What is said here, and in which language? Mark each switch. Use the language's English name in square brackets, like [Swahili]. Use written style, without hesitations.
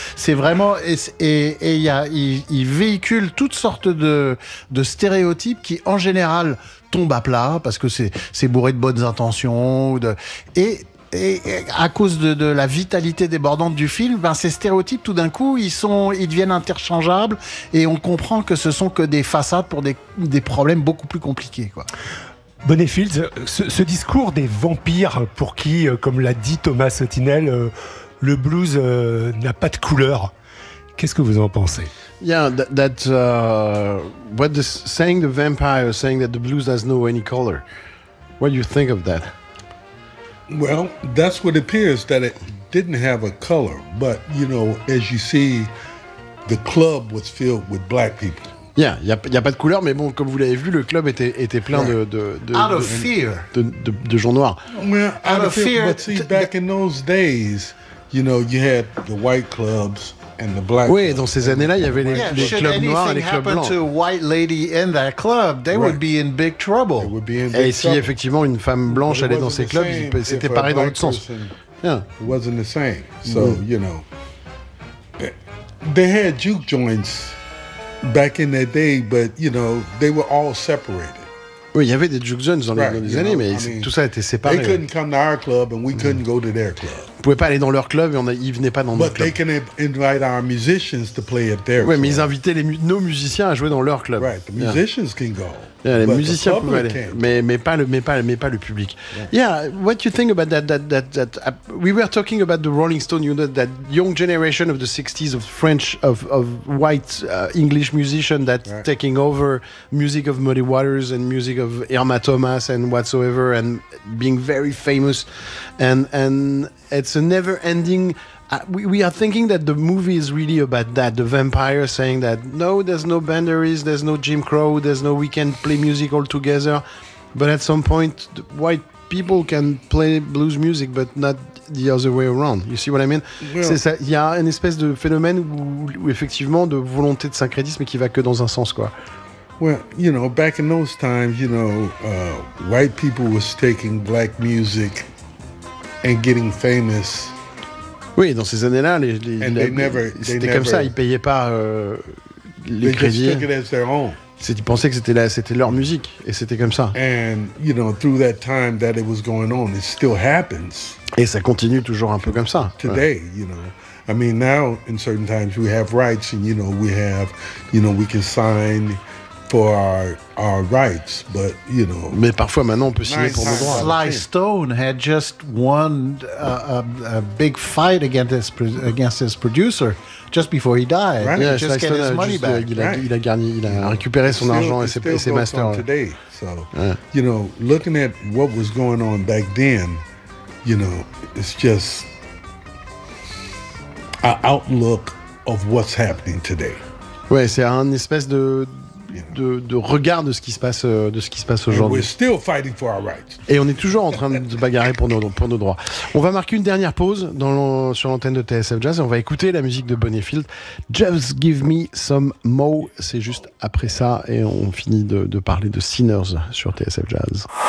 [French] C'est vraiment et il véhicule toutes sortes de stéréotypes qui en général tombe à plat parce que c'est bourré de bonnes intentions et à cause de la vitalité débordante du film, ben ces stéréotypes tout d'un coup ils deviennent interchangeables et on comprend que ce sont que des façades pour des problèmes beaucoup plus compliqués, quoi. Bonnefield, ce discours des vampires pour qui, comme l'a dit Thomas Sotinel, le blues n'a pas de couleur, qu'est-ce que vous en pensez? [English] Yeah, what saying the vampire, saying that the blues has no any color. What do you think of that? Well, that's what it appears, that it didn't have a color. But, you know, as you see, the club was filled with black people. [French] Bien, il n'y a pas de couleur, mais bon, comme vous l'avez vu, le club était, était plein de gens noirs. [English] Well, out of fear. But see, back in those days, you know, you had the white clubs and the black. [French] Oui, dans ces années-là, il y avait les clubs noirs et les clubs blancs. [English] If anything happened to a white lady in that club, they would be in big trouble. They would be in big trouble. [French] Et si effectivement une femme blanche allait dans ces clubs, c'était pareil dans l'autre sens. [English] Yeah. It wasn't the same. So, you know, they had juke joints back in that day, but, you know, they were all separated. [French] Oui, il y avait des juke joints dans les années, know, mais [English] I mean, [French] tout ça était séparé. [English] They couldn't come to our club and we couldn't go to their club. [French] Ils ne pouvaient pas aller dans leur club et ils ne venaient pas dans notre club. [English] But they can invite our musicians to play at their club. [French] Oui, mais ils invitaient nos musiciens à jouer dans leur club. [English] Right, the musicians can go. [French] Yeah, les musiciens pouvaient aller, mais pas le public. [English] Yeah, what do you think about that? We were talking about the Rolling Stone, you know, that young generation of the 60s of French, of white English musician that taking over music of Muddy Waters and music of Irma Thomas and whatsoever and being very famous. And it's a never ending. We are thinking that the movie is really about that, the vampire saying that, no, there's no boundaries, there's no Jim Crow, there's no, we can play music all together. But at some point, the white people can play blues music, but not the other way around. You see what I mean? Yeah. [French] C'est ça, y a une espèce de phénomène où effectivement, de volonté de syncrétisme qui va que dans un sens, quoi. [English] Well, you know, back in those times, you know, white people was taking black music and getting famous. [French] Oui, dans ces années-là, c'était comme ça, ils ne payaient pas les crédits. C'est, ils pensaient que c'était leur musique, et c'était comme ça. [English] And, you know, through that time that it was going on, it still happens. [French] Et ça continue toujours un peu comme ça. [English] Today, you know. I mean, now, in certain times, we have rights, and, you know, we have, you know, we can sign for our rights, but, you know. [French] Mais parfois, maintenant, on peut signer pour nos droits. [English] Sly Stone had just won a big fight against his producer just before he died. Right. Yeah, Sly Stone his money back. [French] Il a récupéré son argent et ses masters. [English] Today, so, you know, looking at what was going on back then, you know, it's just an outlook of what's happening today. [French] Oui, c'est un espèce de regard de ce qui se passe aujourd'hui. [English] We're still fighting for our rights. [French] Et on est toujours en train de bagarrer pour nos droits. On va marquer une dernière pause sur l'antenne de TSF Jazz et on va écouter la musique de Bonnyfield. Just Give Me Some Mo', c'est juste après ça et on finit de parler de Sinners sur TSF Jazz.